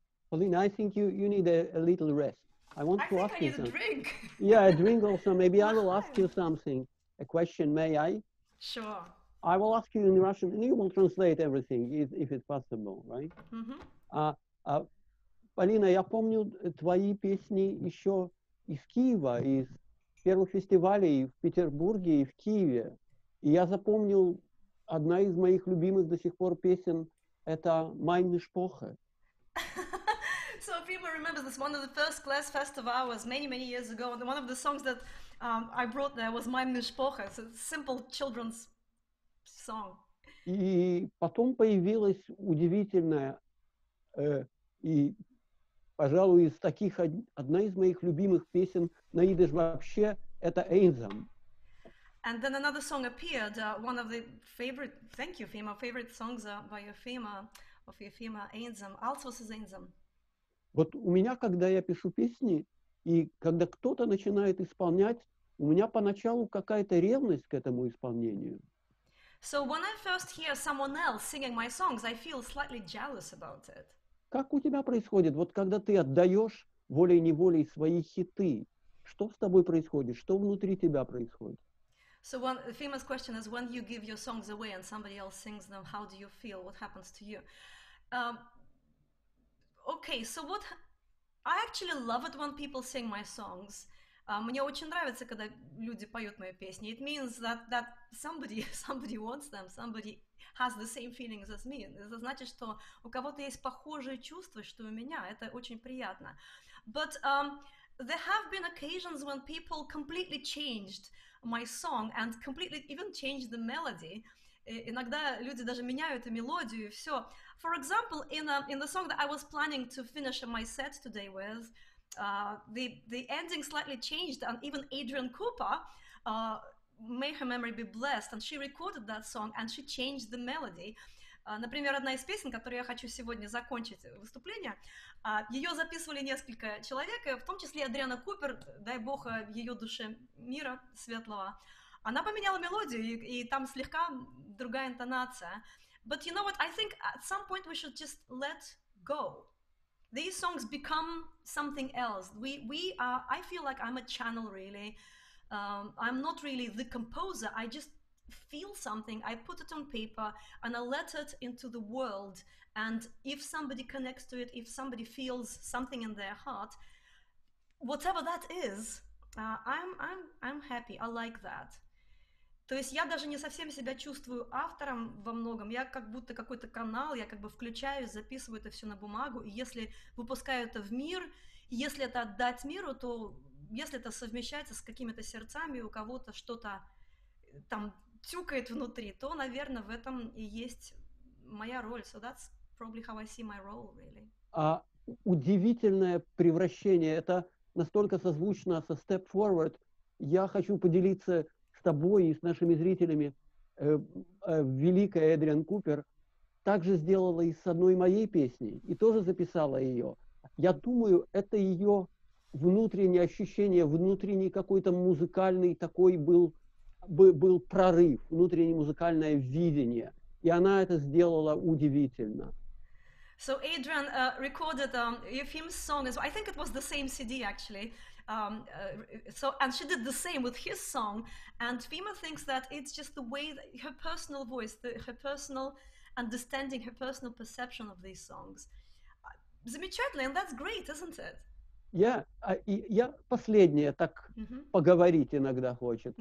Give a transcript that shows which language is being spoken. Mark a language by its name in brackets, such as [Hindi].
[English] Polina, I think you need a little rest. I need a drink. Yeah, a drink also. Maybe I will ask you something. A question, may I? Sure. I will ask you in Russian, and you will translate everything, if it's possible, right? Mm-hmm. [Russian] Полина, я помню твои песни еще из Киева, из первых фестивалей в Петербурге и в Киеве. И я запомнил, одна из моих любимых до сих пор песен – это «Mein Mischpoche». [English] So Fima remembers this one of the first class festivals many, many years ago. And one of the songs that I brought there was «Mein Mischpoche». It's a simple children's song. [Russian] И потом появилась удивительная и, пожалуй, из таких одна из моих любимых песен на идиш вообще это «Ensem». [English] And then another song appeared, one of the favorite, thank you, Fima, favorite songs by Fima, of Fima, «Ensem», also says «Ensem». [Russian] Вот у меня, когда я пишу песни, и когда кто-то начинает исполнять, у меня поначалу какая-то ревность к этому исполнению. [English] So when I first hear someone else singing my songs, I feel slightly jealous about it. [Russian] Как у тебя происходит? Вот когда ты отдаешь волей-неволей свои хиты, что с тобой происходит? Что внутри тебя происходит? [English] So one famous question is, when you give your songs away and somebody else sings them, how do you feel? What happens to you? Okay, so what? I actually love it when people sing my songs. [Russian] Мне очень нравится, когда люди поют мои песни. [English] It means that somebody wants them. Somebody has the same feelings as me. [Russian] Это значит, что у кого-то есть похожие чувства, что у меня. Это очень приятно. [English] But there have been occasions when people completely changed my song and completely even changed the melody. [Russian] Иногда люди даже меняют и мелодию, и все. [English] For example, in the song that I was planning to finish my set today with, the ending slightly changed, and even Adrian Cooper, may her memory be blessed, and she recorded that song, and she changed the melody. [Russian] Например, одна из песен, которую я хочу сегодня закончить выступление, ее записывали несколько человек, в том числе Адриана Купер, дай бог ее душе мира светлого. Она поменяла мелодию, и там слегка другая интонация. [English] But you know what? I think at some point we should just let go. These songs become something else. We are. I feel like I'm a channel, really. I'm not really the composer. I just feel something. I put it on paper and I let it into the world. And if somebody connects to it, if somebody feels something in their heart, whatever that is, I'm happy. I like that. [Russian] То есть я даже не совсем себя чувствую автором во многом. Я как будто какой-то канал, я как бы включаюсь, записываю это все на бумагу. И если выпускаю это в мир, если это отдать миру, то если это совмещается с какими-то сердцами, у кого-то что-то там тюкает внутри, то, наверное, в этом и есть моя роль. [English] So that's probably how I see my role, really. [Russian] А удивительное превращение. Это настолько созвучно со Step Forward. Я хочу поделиться с тобой и с нашими зрителями, великая Эдриан Купер также сделала и с одной моей песней, и тоже записала ее. Я думаю, это ее внутреннее ощущение, внутренний какой-то музыкальный такой был прорыв, внутреннее музыкальное видение. И она это сделала удивительно. [English] So Adrian recorded Efim's song, I think it was the same CD actually. And she did the same with his song, and Fima thinks that it's just the way that her personal voice, her personal understanding, her personal perception of these songs. [Russian] Замечательно, [English] and that's great, isn't it? [Russian] Я последнее так mm-hmm. поговорить иногда хочется.